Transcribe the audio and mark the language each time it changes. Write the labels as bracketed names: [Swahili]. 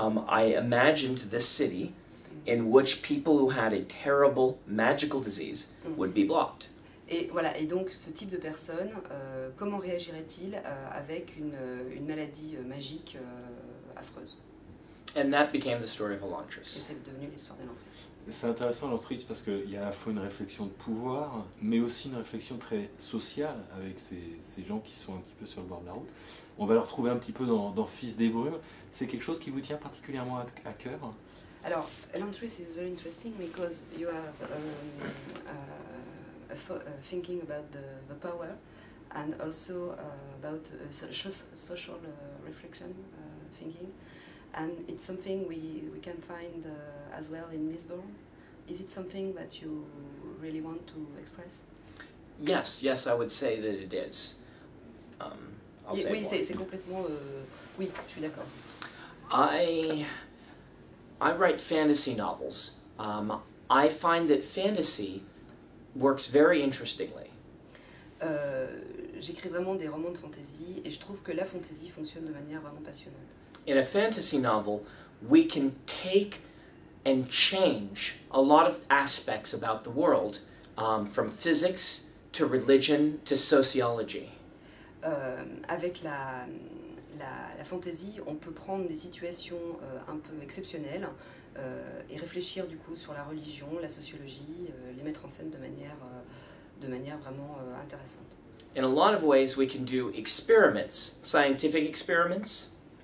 [English] I imagined this city in which people who had a terrible magical disease would be blocked. [French] Et voilà, et donc ce type de personne, comment réagirait-il avec une maladie magique affreuse? [English] And that became the story of Elantris. [French] Et c'est devenu l'histoire d'Elantris. C'est intéressant, Elantris, parce qu'il y a à la fois une réflexion de pouvoir, mais aussi une réflexion très sociale avec ces gens qui sont un petit peu sur le bord de la route. On va le retrouver un petit peu dans Fils des Brumes. C'est quelque chose qui vous tient particulièrement à cœur? [English] Alors, Elantris is very interesting because you have thinking about the power and also about social reflection thinking. And it's something we can find as well in Lisbon. Is it something that you really want to express? Yes, yes, I would say that it is. [French] C'est complètement... oui, je suis d'accord. [English] I write fantasy novels. I find that fantasy works very interestingly. [French] J'écris vraiment des romans de fantasy et je trouve que la fantasy fonctionne de manière vraiment passionnante. [English] In a fantasy novel, we can take and change a lot of aspects about the world, from physics to religion to sociology. [French] Avec la fantasy, on peut prendre des situations un peu exceptionnelles et réfléchir du coup sur la religion, la sociologie, les mettre en scène de manière vraiment intéressante. [English] In a lot of ways, we can do experiments, scientific experiments.